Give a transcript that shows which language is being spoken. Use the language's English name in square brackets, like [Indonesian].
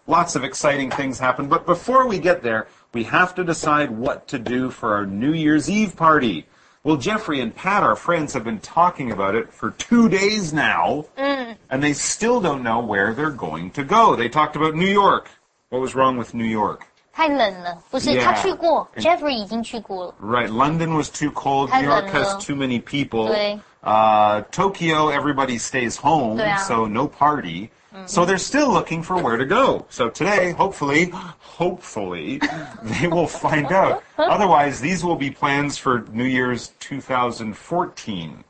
[English] Lots of exciting things happen. But before we get there, we have to decide what to do for our New Year's Eve party. Well, Jeffrey and Pat, our friends, have been talking about it for 2 days now, and they still don't know where they're going to go. They talked about New York. What was wrong with New York? [Chinese] 太冷了。不是,他去过, Jeffrey已经去过了。 [English] Right, London was too cold, New York has too many people. [Chinese] 对。 [English] Tokyo, everybody stays home, so no party. So they're still looking for where to go. So today, hopefully, they will find out. Otherwise, these will be plans for New Year's 2014.